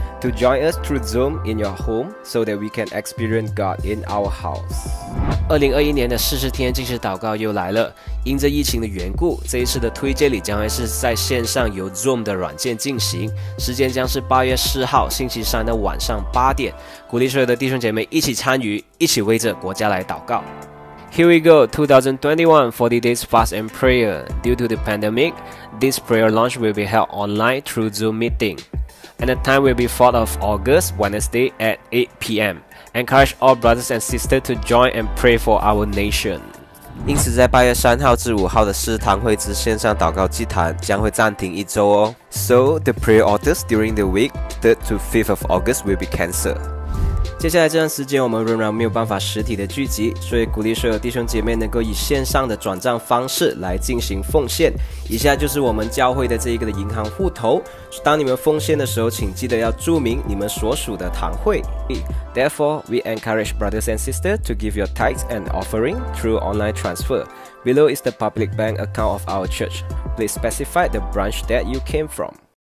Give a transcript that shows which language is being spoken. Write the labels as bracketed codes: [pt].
[en] to join us through Zoom in your home so that we can experience God in our house. [zh] 2021年的40天进行祷告又来了。因着疫情的缘故，这一次的推荐礼将会是在线上由 Zoom 的软件进行。时间将是8月4号星期三的晚上8点。鼓励所有的弟兄姐妹一起参与，一起为着国家来祷告。 [en] Here we go, 2021 40 Days Fast and Prayer. Due to the pandemic, this prayer launch will be held online through Zoom meeting. And the time will be 4th of August, Wednesday at 8 p.m. Encourage all brothers and sisters to join and pray for our nation. [zh] 因此在8月3号至5号的诗堂会之线上祷告祭坛将会暂停一周哦。 [en] So the prayer orders during the week, 3rd to 5th of August will be cancelled. [zh] 接下来这段时间我们仍然没有办法实体的聚集，所以鼓励所有弟兄姐妹能够以线上的转账方式来进行奉献。以下就是我们教会的这一个的银行户头，当你们奉献的时候请记得要注明你们所属的堂会。 [en] Therefore, we encourage brothers and sisters to give your tithes and offering through online transfer. Below is the public bank account of our church. Please specify the branch that you came from.